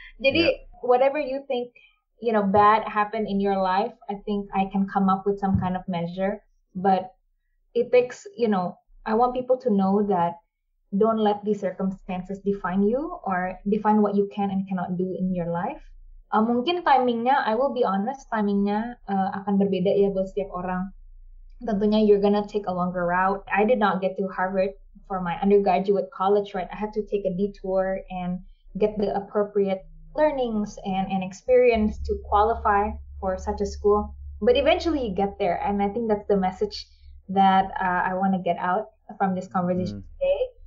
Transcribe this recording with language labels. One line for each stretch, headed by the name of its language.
English: Jadi whatever you think, you know, bad happen in your life, I think I can come up with some kind of measure. But it takes, you know, I want people to know that don't let these circumstances define you or define what you can and cannot do in your life.
Indonesian: Mungkin timingnya,
English: I will be honest,
Indonesian: timingnya akan berbeda ya buat setiap orang.
English: Tentunya you're gonna take a longer route. I did not get to Harvard for my undergraduate college, right? I had to take a detour and get the appropriate learnings and experience to qualify for such a school. But eventually you get there, and I think that's the message that I want to get out from this conversation today.